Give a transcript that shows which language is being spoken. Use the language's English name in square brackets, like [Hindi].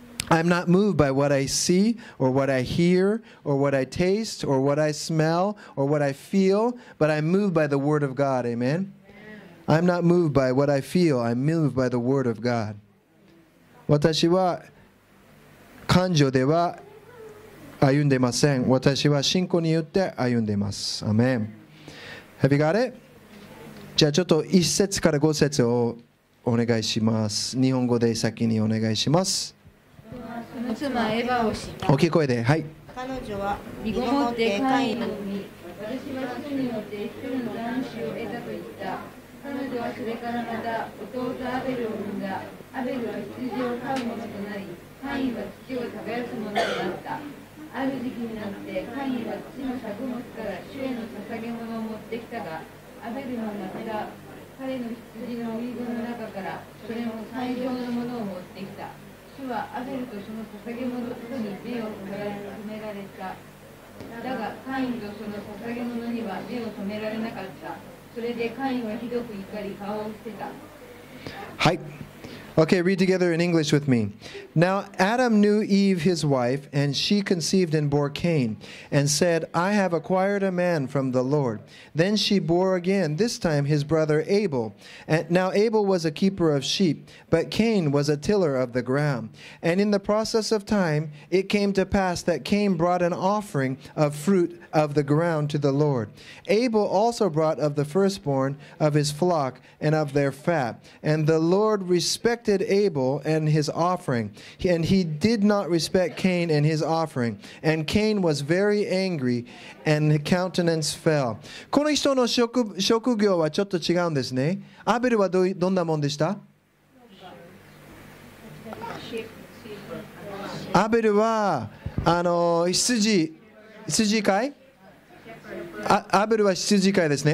[English] I'm not moved by what I see or what I hear or what I taste or what I smell or what I feel, but I'm moved by the word of God. Amen. I'm not moved by what I feel. I'm moved by the word of God. [Japanese] 私は感情では歩んでいません。私は信仰によって歩んでいます。 [English] アメン。Have you got it? [Japanese] じゃあちょっと1節から5節をお願いします。日本語で先にお願いします。その妻エヴァを知った。大きい声で、はい。彼女は身ごもってカインなのに、私は主によって一人の男子を得たと言った。彼女はそれからまた弟アベルを産んだ。アベルは羊を飼うものとなり、カインは土を耕すものとなった。ある時期になってカインは土の作物から主への捧げ物を持ってきたが、アベルはまた彼の羊の追い分の中からそれも最上のものを持ってきた。主はアベルとその捧げ物に目を留められた。だがカインとその捧げ物には目を留められなかった。それでカインはひどく怒り顔を伏せた。 [English] はい。Okay, read together in English with me. Now Adam knew Eve, his wife, and she conceived and bore Cain, and said, I have acquired a man from the Lord. Then she bore again, this time his brother Abel. And now Abel was a keeper of sheep, but Cain was a tiller of the ground. And in the process of time, it came to pass that Cain brought an offering of fruit of the ground to the Lord. Abel also brought of the firstborn of his flock and of their fat. And the Lord respected Abel and his offering, and he did not respect Cain and his offering. And Cain was very angry, and his countenance fell. [Japanese] この人の職業はちょっと違うんですね。アベルはどんなもんでした？アベルは羊飼い？アベルは羊飼いですね。